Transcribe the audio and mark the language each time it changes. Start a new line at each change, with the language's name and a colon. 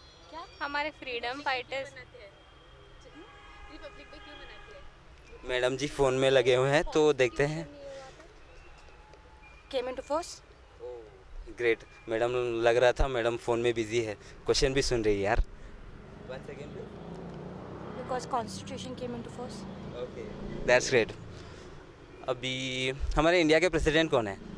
Hindi: क्या हमारे freedom fighters? Madam जी phone में लगे हुए हैं तो देखते हैं।
English: Came into force? Great.
Hindi: Madam लग रहा था मैडम फोन में बिजी है, क्वेश्चन भी सुन रही है यार।
English: Because constitution came into force. Okay. That's great.
Hindi: अभी हमारे इंडिया के प्रेसिडेंट कौन है?